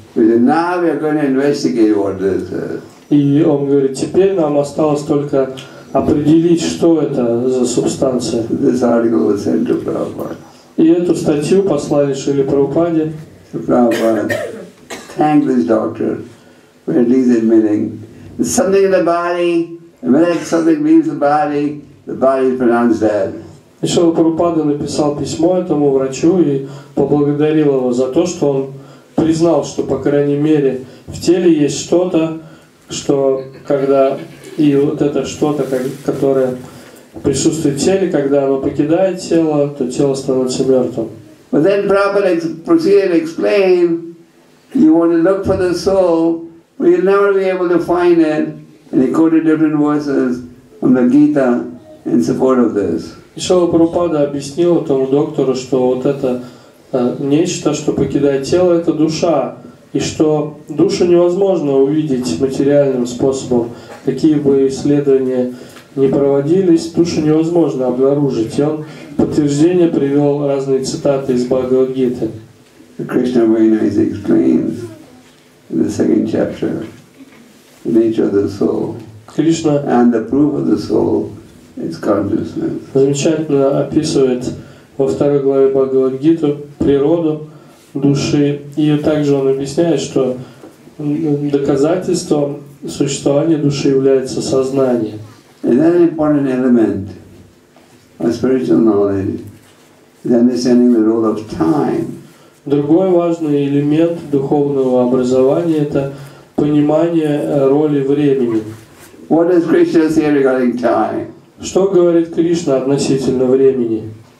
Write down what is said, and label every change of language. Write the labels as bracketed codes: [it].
[en] Now we're going to investigate what this is. [ru] И он говорит, теперь нам осталось только определить, что это за субстанция. [en] This article was sent to Prabhupada. [ru] И эту статью послали Шриле Прабхупаде. [en] Prabhupada thanked this doctor for at least admitting something in the body, and when something leaves the body is pronounced dead. [ru] И Шрила Прабхупада написал письмо этому врачу и поблагодарил его за то, что он признал, что по крайней мере в теле есть что-то, что когда и вот это что-то, которое присутствует в теле, когда оно покидает тело, то тело становится мертвым. [en] But then Prabhupada proceeded to explain, you want to look for the soul. But you'll never be able to find it. And he quoted different verses from the Gita in support of this. [ru] Шрила Прабхупада объяснил этому доктору, что вот это нечто, что покидает тело, это душа, и что душу невозможно увидеть материальным способом. Какие бы исследования ни проводились, душу невозможно обнаружить. И он подтверждение привел разные цитаты из Бхагавад Гиты. [en] Krishna Vainas explains. In the second chapter, the nature of the soul Krishna, and the proof of the soul It's consciousness. [ru] Замечательно описывает во второй главе Бхагавад-гиты природу души. И также он объясняет, что доказательством существования души является сознание. [en] And an important element of spiritual knowledge is understanding the role of time. [ru] Другой важный элемент духовного образования – это понимание роли времени. [en] What does Krishna say regarding time? [ru] Что говорит Кришна относительно времени?